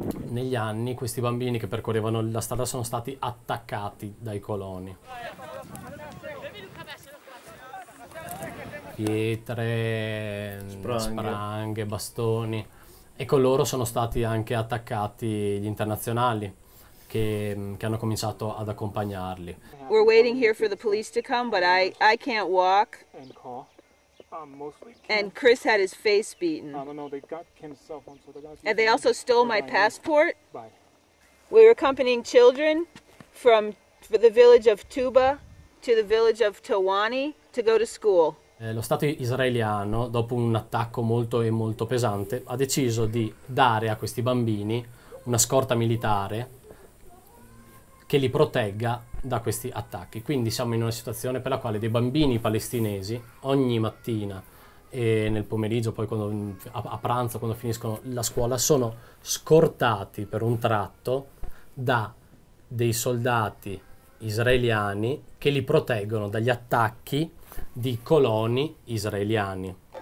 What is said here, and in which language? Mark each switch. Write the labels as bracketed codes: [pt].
[it] Negli anni questi bambini che percorrevano la strada sono stati attaccati dai coloni. Pietre, spranghe, bastoni. E con loro sono stati anche attaccati gli internazionali che hanno cominciato ad accompagnarli. [en] We're waiting here for the police to come, but I can't walk. And call. And Chris had his face beaten. I don't know, they got Kim's cell phone, so they got. And they also stole my passport. Bye. We were accompanying children from the village of Tuba to the village of Tawani to go to school. [it] Lo Stato israeliano, dopo un attacco molto e molto pesante, ha deciso di dare a questi bambini una scorta militare che li protegga da questi attacchi. Quindi siamo in una situazione per la quale dei bambini palestinesi ogni mattina e nel pomeriggio, poi quando a pranzo, quando finiscono la scuola, sono scortati per un tratto da dei soldati israeliani che li proteggono dagli attacchi di coloni israeliani.